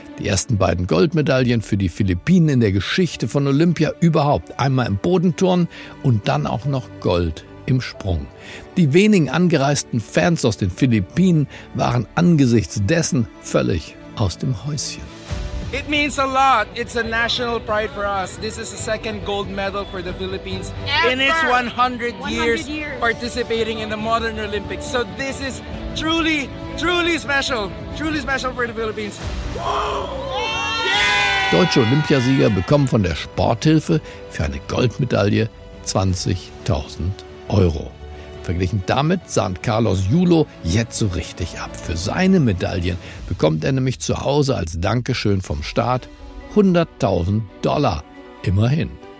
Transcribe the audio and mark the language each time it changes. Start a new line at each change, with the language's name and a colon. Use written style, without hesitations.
German: Die ersten beiden Goldmedaillen für die Philippinen in der Geschichte von Olympia überhaupt. Einmal im Bodenturnen und dann auch noch Gold im Sprung. Die wenigen angereisten Fans aus den Philippinen waren angesichts dessen völlig aus dem Häuschen.
English: It means a lot. It's a national pride for us. This is the second gold medal for the Philippines in its 100 years participating in the modern Olympics. So this is truly, truly special for the Philippines.
German: Deutsche Olympiasieger bekommen von der Sporthilfe für eine Goldmedaille 20.000 Euro. Verglichen damit sahnt Carlos Julo jetzt so richtig ab. Für seine Medaillen bekommt er nämlich zu Hause als Dankeschön vom Staat 100.000 Dollar. Immerhin.